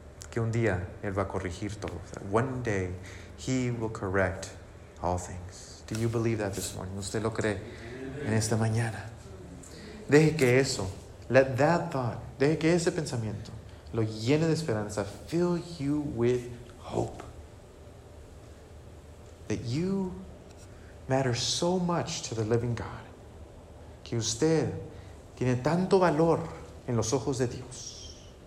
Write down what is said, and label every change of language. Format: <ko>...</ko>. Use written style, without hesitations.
<es>Que un día Él va a corregir todo.</es> <en>That one day He will correct all things. Do you believe that this morning?</en> <es>¿Usted lo cree en esta mañana? Deje que eso,</es> <en>let that thought,</en> <es>deje que ese pensamiento lo llene de esperanza.</es> <en>Fill you with hope. That you matter so much to the living God.</en> <es>Que usted tiene tanto valor en los ojos de Dios.</es>